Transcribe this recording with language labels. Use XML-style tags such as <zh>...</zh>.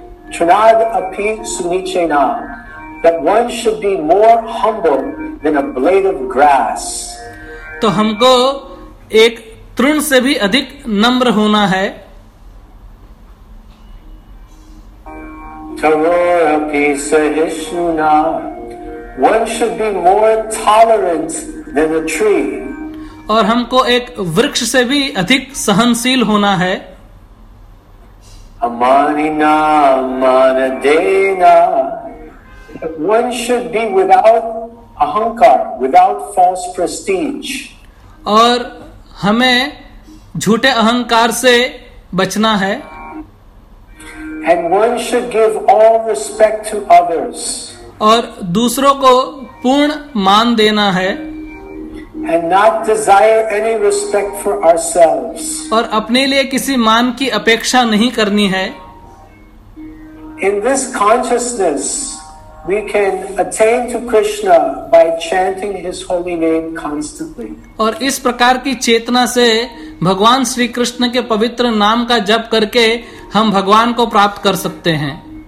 <sa>Trinad Api Sunichena,</sa> <en>that one should be more humble than a blade of grass.</en> <hi>तो हमको एक तृण से भी अधिक नम्र होना है.</hi> <sa>Tavorapi Sahishuna,</sa> <en>one should be more tolerant than a tree.</en> <hi>और हमको एक वृक्ष से भी अधिक सहनशील होना है.</hi> <sa>Amanina Manadena,</sa> <en>one should be without ahankar, without false prestige.</en> <hi>और हमें झूठे अहंकार से बचना है.</hi> <en>And one should give all respect to others.</en> <hi>और दूसरों को पूर्ण मान देना है.</hi> <en>And not desire any respect for ourselves.</en> <hi>और अपने लिए किसी मान की अपेक्षा नहीं करनी है.</hi> <en>In this consciousness, we can attain to Krishna by chanting his holy name constantly.</en> <hi>और इस प्रकार की चेतना से भगवान श्री कृष्ण के पवित्र नाम का जप करके हम भगवान को प्राप्त कर सकते हैं.</hi>